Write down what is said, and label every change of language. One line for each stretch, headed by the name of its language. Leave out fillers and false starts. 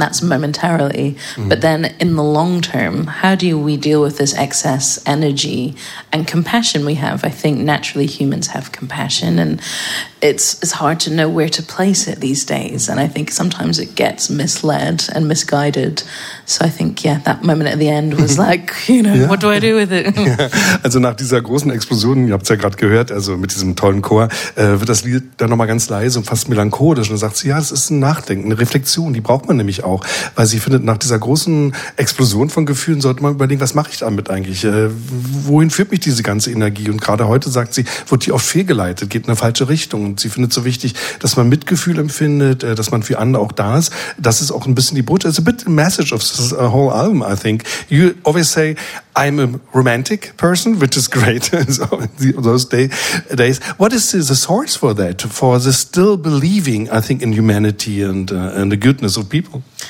English: That's momentarily. Mm-hmm. But then in the long term, how do we deal with this excess energy and compassion we have? I think naturally humans have compassion, and it's hard to know where to place it these days. And I think sometimes it gets misled and misguided. So I think, yeah, that moment at the end was like, what do I do with it?
German: Also nach dieser großen Explosion, ihr habt es ja gerade gehört, also mit diesem tollen Chor, wird das Lied dann nochmal ganz leise und fast melancholisch. Und dann sagt sie, ja, das ist ein Nachdenken, eine Reflexion, die braucht man nämlich auch. Weil sie findet, nach dieser großen Explosion von Gefühlen sollte man überlegen, was mache ich damit eigentlich? Wohin führt mich diese ganze Energie? Und gerade heute, sagt sie, wird die oft fehlgeleitet, geht in eine falsche Richtung. Und sie findet so wichtig, dass man Mitgefühl empfindet, dass man für andere auch da ist. Das ist auch ein bisschen die Botschaft.
English: It's a bit the message of this whole album, I think. You always say, I'm a romantic person, which is great. So in those days, what is the source for that? For the still believing, I think, in humanity and the goodness of people.